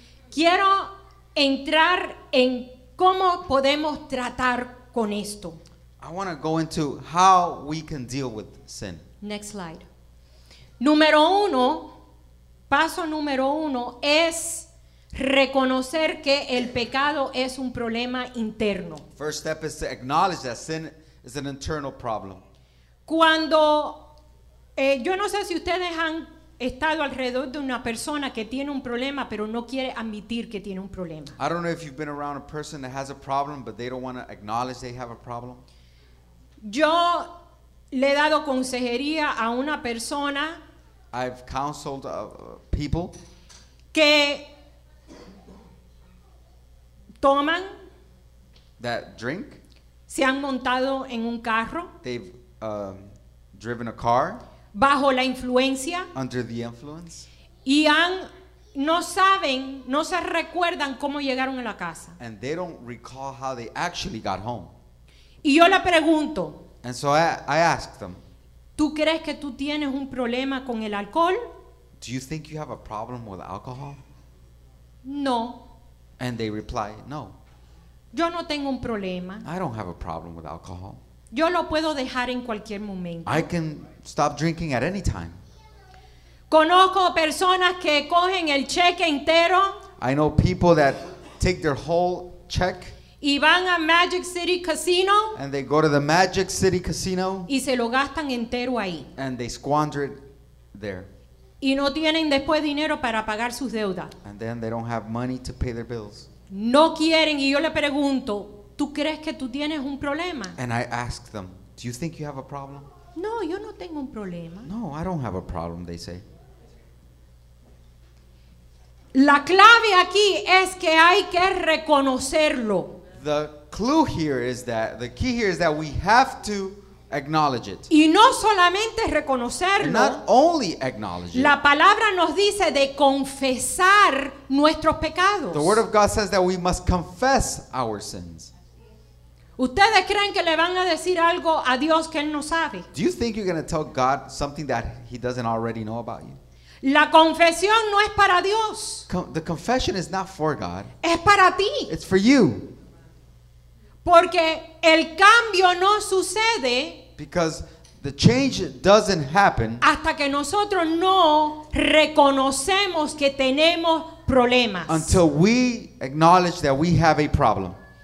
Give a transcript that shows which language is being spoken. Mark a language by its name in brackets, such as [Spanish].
[Spanish] Quiero entrar en cómo podemos tratar con esto. [English] I want to go into how we can deal with sin. Next slide. [Spanish] Número uno, paso número uno, es reconocer que el pecado es un problema interno. [English] First step is to acknowledge that sin is an internal problem. [Spanish] Cuando, yo no sé si ustedes han estado alrededor de una persona que tiene un problema, pero no quiere admitir que tiene un problema. [English] I don't know if you've been around a person that has a problem, but they don't want to acknowledge they have a problem. [Spanish] Yo le he dado consejería a una persona. [English] I've counseled people [Spanish] que toman, [English] that drink, [Spanish] se han montado en un carro, [English] they've driven a car, [Spanish] bajo la influencia, [English] under the influence, [Spanish] y han, no saben, no se recuerdan cómo llegaron a la casa, [English] and they don't recall how they actually got home. [Spanish] Y yo le pregunto, [English] and so I ask them, [Spanish] ¿tú crees que tú tienes un problema con el alcohol? [English] Do you think you have a problem with alcohol? [Spanish] No. [English] And they reply, no. [Spanish] Yo no tengo un problema. [English] I don't have a problem with alcohol. [Spanish] Yo lo puedo dejar en cualquier momento. [English] I can stop drinking at any time. [Spanish] Conozco personas que cogen el cheque entero. [English] I know people that take their whole check. [Spanish] Y van a Magic City Casino. [English] And they go to the Magic City Casino. [Spanish] Y se lo gastan entero ahí. [English] And they squander it there. [Spanish] Y no tienen después dinero para pagar sus deudas. [English] And then they don't have money to pay their bills. [Spanish] No quieren, y yo le pregunto, ¿tú crees que tú tienes un problema? [English] And I ask them, do you think you have a problem? [Spanish] No, yo no tengo un problema. [English] No, I don't have a problem, they say. [Spanish] La clave aquí es que hay que reconocerlo. [English] The clue here is that, the key here is that we have to acknowledge it. [Spanish] Y no solamente reconocerlo. [English] Not only acknowledge it. [Spanish] La palabra nos dice de confesar nuestros pecados. [English] The word of God says that we must confess our sins. [Spanish] ¿Ustedes creen que le van a decir algo a Dios que él no sabe? [English] Do you think you're going to tell God something that he doesn't already know about you? [Spanish] La confesión no es para Dios. [English] The confession is not for God. [Spanish] Es para ti. [English] It's for you. [Spanish] Porque el cambio no sucede. [English] Because the change doesn't happen. [Spanish] Hasta que nosotros no reconocemos que tenemos problemas. [English] Until we acknowledge that we have a problem.